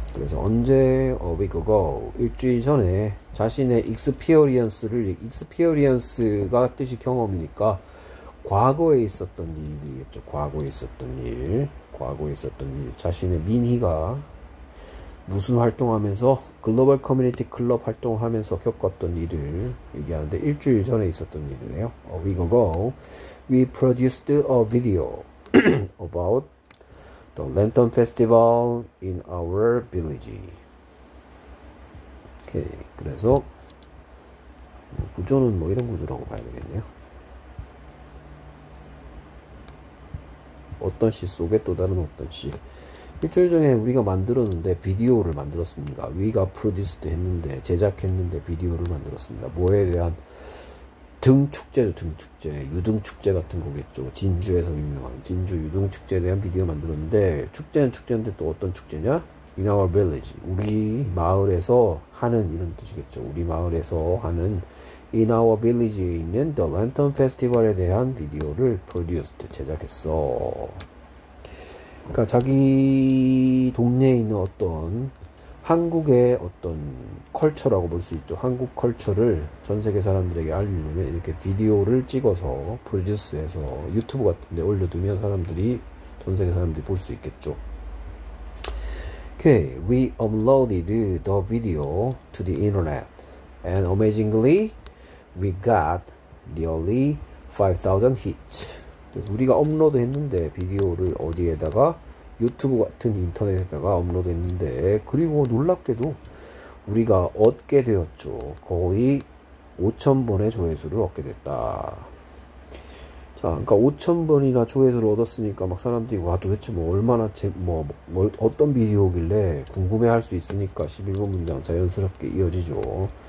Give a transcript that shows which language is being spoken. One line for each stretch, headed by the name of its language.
Korean: 그래서 언제,
English: a week ago,
Korean: 일주일 전에 자신의 experience가 뜻이 경험이니까 과거에 있었던 일이겠죠. 과거에 있었던 일. 과거에 있었던 일, 자신의 민희가 무슨 활동하면서 글로벌 커뮤니티 클럽 활동하면서 겪었던 일을 얘기하는데, 일주일 전에 있었던 일이네요.
English: A week ago, we produced a video about the Lantern Festival in our village.
Korean: 오케이, 그래서 구조는 뭐 이런 구조라고 봐야 되겠네요. 어떤 시 속에 또 다른 어떤 시. 일주일 전에 우리가 만들었는데, 비디오를 만들었습니다. We가 produced 했는데, 제작했는데 비디오를 만들었습니다. 뭐에 대한 등축제죠, 등축제. 유등축제 같은 거겠죠. 진주에서 유명한 진주 유등축제에 대한 비디오 만들었는데, 축제는 축제인데 또 어떤 축제냐?
English: In our village.
Korean: 우리 마을에서 하는, 이런 뜻이겠죠. 우리 마을에서 하는
English: In our village
Korean: 에 있는 The Lantern Festival에 대한 비디오를 produced, 제작했어. 그러니까 자기 동네에 있는 어떤 한국의 어떤 컬처라고 볼수 있죠. 한국 컬처를 전 세계 사람들에게 알리려면 이렇게 비디오를 찍어서 produce해서 유튜브 같은 데 올려두면 사람들이, 전 세계 사람들이 볼수 있겠죠.
English: Okay, we uploaded the video to the internet, and amazingly, we got nearly 5,000 hits.
Korean: 그래서 우리가 업로드했는데 비디오를 어디에다가 유튜브 같은 인터넷에다가 업로드했는데 그리고 놀랍게도 우리가 얻게 되었죠. 거의 5,000번의 조회수를 얻게 됐다. 자, 그러니까 5,000번이나 조회수를 얻었으니까 막 사람들이 와 도대체 뭐 얼마나 제, 뭐, 뭐 어떤 비디오길래 궁금해할 수 있으니까 11번 문장 자연스럽게 이어지죠.